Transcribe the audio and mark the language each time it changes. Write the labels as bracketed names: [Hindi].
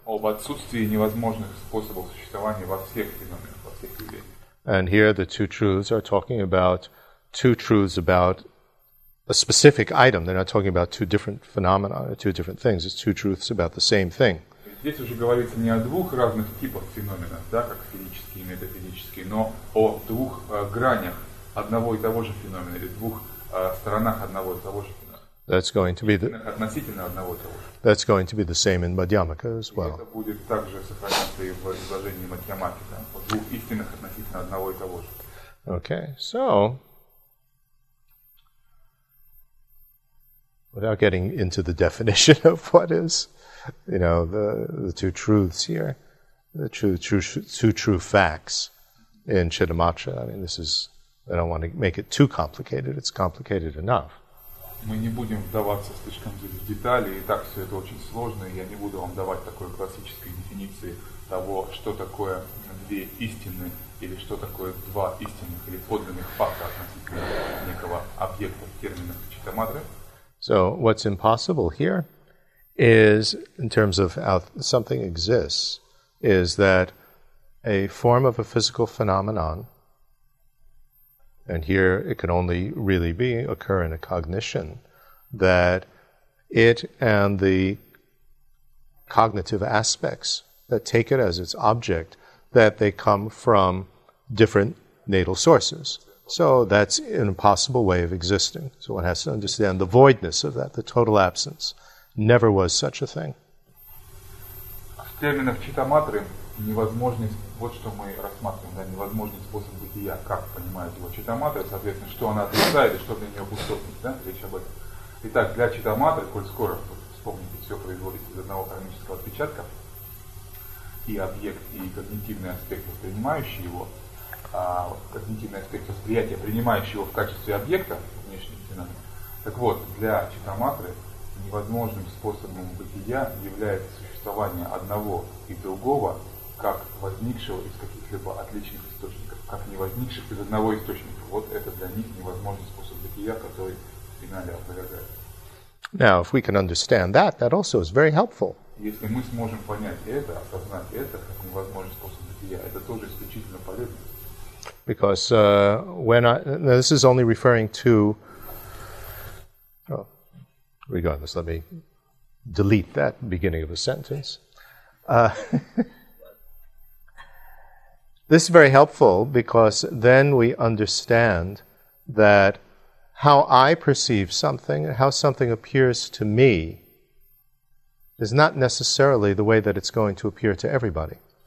[Russian] Об отсутствии невозможных способов существования во всех феноменах, во всех явлениях. [English] And here the two truths are talking about two truths about a specific item. They're not talking about two different phenomena or two different things. It's two truths about the same thing. [Russian] Здесь уже говорится не о двух разных типах феноменов, да, как физические и метафизические, но о двух гранях одного и того же феномена или двух сторонах одного и того же феномена. [English] That's going to be the [Russian] относительно одного и того же. [English] That's going to be the same in Madhyamaka as well. [Russian] Это будет также сохраняться и в изложении Мадхьямаки, да, о двух истинах относительно одного и того же. [English] Okay, so without getting into the definition of what is, you know, the two truths here, the two true facts in Chittamatra. I mean, this is, I don't want to make it too complicated. It's complicated enough. [Russian] Мы не будем вдаваться слишком в детали, и так все это очень сложно, и я не буду вам давать такой классической дефиниции того, что такое две истины, или что такое два истинных или подлинных факта относительно некого объекта в терминах Читтаматры. [English] So what's impossible here is, in terms of how something exists, is that a form of a physical phenomenon, and here it can only really be occur in a cognition, that it and the cognitive aspects that take it as its object, that they come from different natal sources. So that's an impossible way of existing. So one has to understand the voidness of that, the total absence. Never was such a thing. [Russian] В терминах читаматры невозможность, вот что мы рассматриваем, да, невозможный способ бытия, как понимает его читаматры, соответственно, что она отрицает и что для нее пустотность, да, речь об этом. Итак, для читаматры, коль скоро, вспомните, все производится из одного кармического отпечатка, и объект, и когнитивный аспект, воспринимающий его, когнитивный аспект восприятия, принимающий его в качестве объекта, внешний феномен. Так вот, для читаматры невозможным способом бытия является существование одного и другого, как возникшего из каких-либо отличных источников, как не возникших из одного источника. Вот это для них невозможный способ бытия, который в финале опровергает. [English] Now, if we can understand that, that also is very helpful. [Russian] Если мы сможем понять это, осознать это, как невозможный способ бытия, это тоже исключительно полезно. [English] Because this is only referring to, oh, regardless, let me delete that beginning of a sentence. this is very helpful because then we understand that how I perceive something, how something appears to me, is not necessarily the way that it's going to appear to everybody.